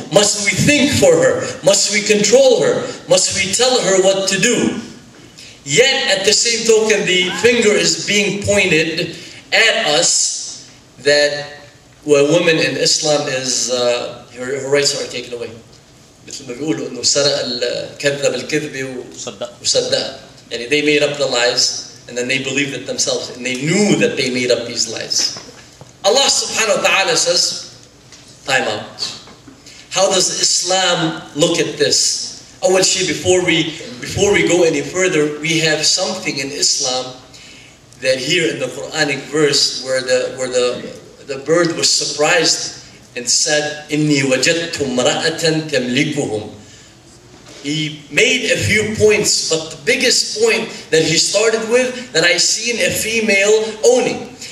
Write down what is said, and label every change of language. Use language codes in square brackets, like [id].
[en] Must we think for her? Must we control her? Must we tell her what to do? Yet, at the same token, the finger is being pointed at us that a woman in Islam is, her rights are taken away. [ar] مثل ما بيقولوا انه سرق الكذب الكذب وصدق. يعني [en] they made up the lies and then they believed it themselves and they knew that they made up these lies. Allah [ar] subhanahu wa ta'ala [en] says, time out. How does Islam look at this? [ar] أول شيء [en] before we go any further, we have something in Islam that here in the Quranic verse where the bird was surprised and said, [ar] إِنِّي وَجَدْتُ امْرَأَةً تَمْلِكُهُمْ [en] He made a few points, but the biggest point that he started with, that I seen a female owning.